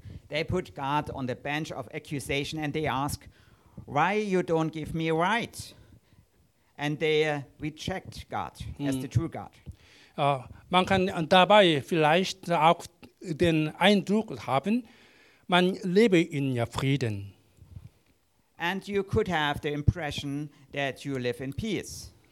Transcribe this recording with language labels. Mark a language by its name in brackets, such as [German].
[English] They put God on the bench of accusation and they ask, why you don't give me right? And they reject God as the true God. [German] Man kann dabei vielleicht auch den Eindruck haben, man lebe in Frieden. [English] And you could have the impression that you live in peace.